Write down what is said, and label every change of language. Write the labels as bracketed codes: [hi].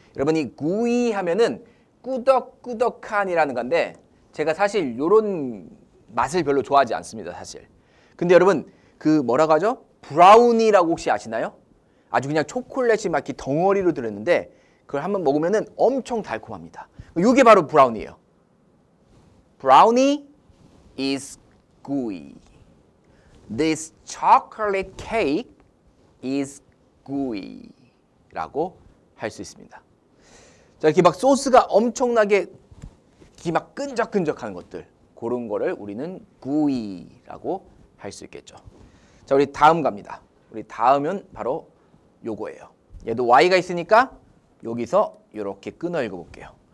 [ko] 여러분 이 구이 하면은 꾸덕꾸덕한이라는 건데 제가 사실 이런 맛을 별로 좋아하지 않습니다. 사실. 근데 여러분 그 뭐라고 하죠? 브라우니라고 혹시 아시나요? 아주 그냥 초콜릿이 막 이렇게 덩어리로 들었는데 그걸 한번 먹으면은 엄청 달콤합니다. 이게 바로 브라우니예요. [en] 브라우니 is gooey. This chocolate cake is gooey. [ko] 라고 할 수 있습니다. 자, 이렇게 막 소스가 엄청나게 이렇게 막 끈적끈적하는 것들. 그런 거를 우리는 gooey 라고 할 수 있겠죠. 자, 우리 다음 갑니다. 우리 다음은 바로 요거예요. 얘도 Y가 있으니까 여기서 이렇게 끊어 읽어볼게요.